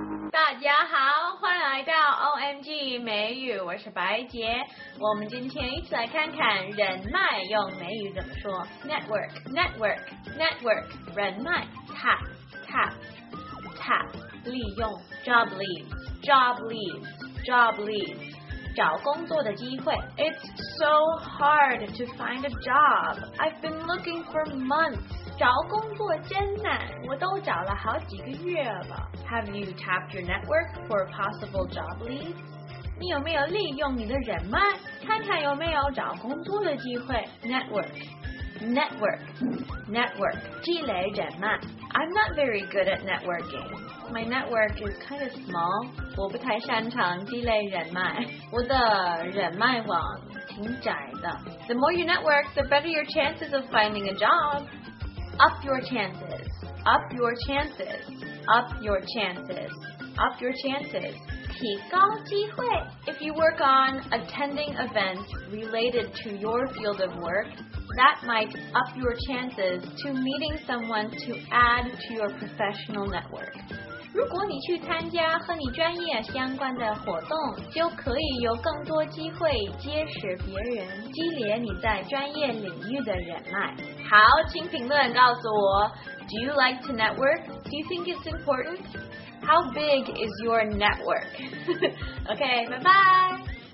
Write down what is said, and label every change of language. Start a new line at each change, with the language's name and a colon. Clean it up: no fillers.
Chinese: 大家好，欢迎来到 OMG 美语，我是白杰。我们今天一起来看看人脉用美语怎么说。
English: Network, network, network,
Chinese: 人脉
English: tap, tap, tap,
Chinese: 利用
English: job leads, job leads, job leads.
Chinese: 找工作的机会。
English: It's so hard to find a job. I've been looking for months.
Chinese: 找工作艰难，我都找了好几个月了。
English: Have you tapped your network for a possible job lead?
Chinese: 你有没有利用你的人脉，看看有没有找工作的机会。
English: Network, network, network,
Chinese: 积累人脉。
English: I'm not very good at networking. My network is kind of small.
Chinese: 我不太擅长积累人脉。我的人脉网挺窄的。
English: The more you network, the better your chances of finding a job. Up your chances. Up your chances. Up your chances. Up your chances.
Chinese: 提高机会。
English: If you work on attending events related to your field of work,That might up your chances to meeting someone to add to your professional network.
Chinese: 如果你去参加和你专业相关的活动，就可以有更多机会结识别人，积累你在专业领域的人脉。好，请评论告诉我 ，
English: Do you like to network? Do you think it's important? How big is your network? Okay, bye bye.